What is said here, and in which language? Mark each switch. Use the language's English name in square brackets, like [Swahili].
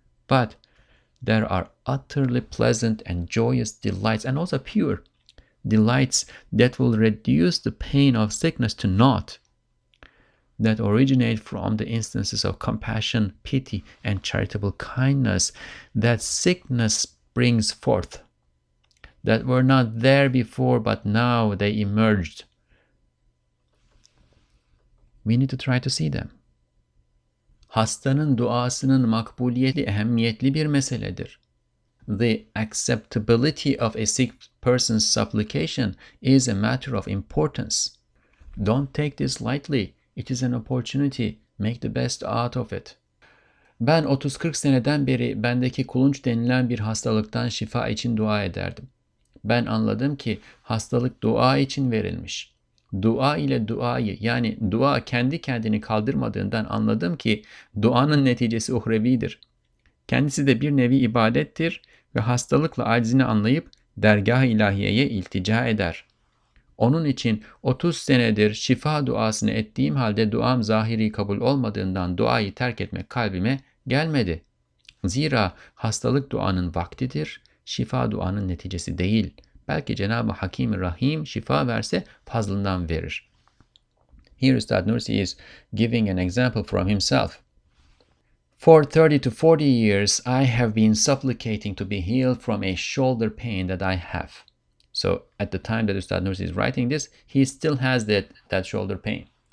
[English] But there are utterly pleasant and joyous delights, and also pure delights, that will reduce the pain of sickness to naught, that originate from the instances of compassion, pity, and charitable kindness that sickness brings forth, that were not there before, but now they emerged. We need to try to see them. [Turkish] Hastanın duasının makbuliyeti ehemmiyetli bir meseledir. [English] The acceptability of a sick person's supplication is a matter of importance. Don't take this lightly. It is an opportunity. Make the best out of it. [Turkish] Ben 30-40 seneden beri bendeki kulunç denilen bir hastalıktan şifa için dua ederdim. Ben anladım ki hastalık dua için verilmiş. Dua ile duayı, yani dua kendi kendini kaldırmadığından anladım ki duanın neticesi uhrevidir. Kendisi de bir nevi ibadettir ve hastalıkla aczini anlayıp dergah-ı ilahiyeye iltica eder. Onun için 30 senedir şifa duasını ettiğim halde duam zahiri kabul olmadığından duayı terk etmek kalbime gelmedi. Zira hastalık duanın vaktidir, şifa duanın neticesi değil. Belki Cenab-ı Hakim-i Rahim şifa verse fazlından verir. [English] Here Üstad Nursi is giving an example from himself. For 30 to 40 years, I have been supplicating to be healed from a shoulder pain that I have. So at the time that Üstad Nursi is writing this, he still has that shoulder pain.